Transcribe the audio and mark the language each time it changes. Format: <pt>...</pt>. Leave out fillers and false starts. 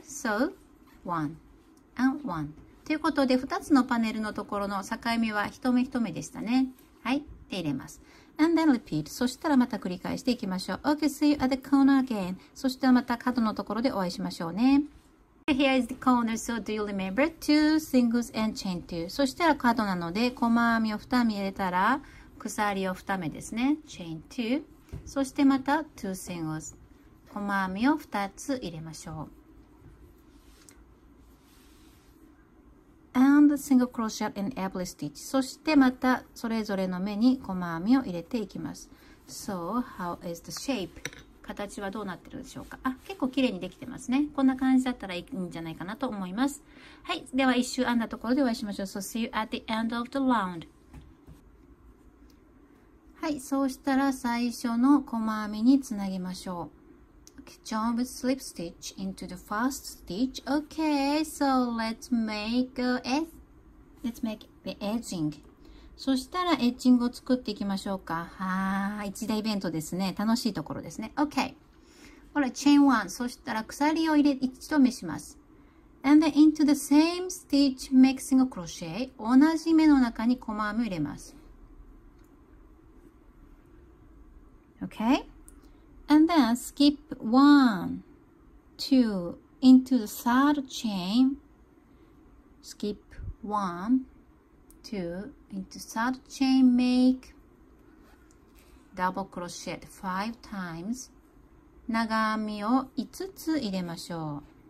<en>So, one and one.</en> <ja>ということで、2つのパネルのところの境目は一目一目でしたね。はい、で入れます。</ja> <en>And then repeat.</en> <ja>そしたらまた繰り返していきましょう。</ja> <en>Okay, see you at the corner again.</en> <ja>そしたらまた角のところでお会いしましょうね。</ja> <en>Here is the corner, so do you remember? Two singles and chain two.</en> <ja>そしたら角なので、細編みを2目入れたら、鎖を2目ですね。</ja> <en>Chain two.</en> <ja>そしてまた</ja> <en>2 singles</en> <ja>細編みを2つ入れましょう。</ja> <en>And single crochet in every stitch.</en> <ja>そしてまたそれぞれの目に細編みを入れていきます。</ja> <en>So how is the shape?</en> <ja>形はどうなってるでしょうか。あ、結構綺麗にできてますね。こんな感じだったらいいんじゃないかなと思います。はい、では1周編んだところでお会いしましょう。</ja> <en>So see you at the end of the round。</en> <ja>はい、そうしたら最初の細編みにつなぎましょう。</ja> <en>Okay, jump slip stitch into the first stitch. Okay, so let's make the edging.</en> <ja>そしたらエッジングを作っていきましょうか。はぁ、一大イベントですね。楽しいところですね。Okay. ほら、</ja> <en>chain one.</en> <ja>そしたら鎖を入れ、一度目します。</ja> <en>And then into the same stitch, make single crochet.</en> <ja>同じ目の中に細編みを入れます。</ja> <en>Okay, and then skip one, two, into the third chain, skip one, two, into third chain, make double crochet five times.</en> <ja>長編みを5つ入れましょう。</ja>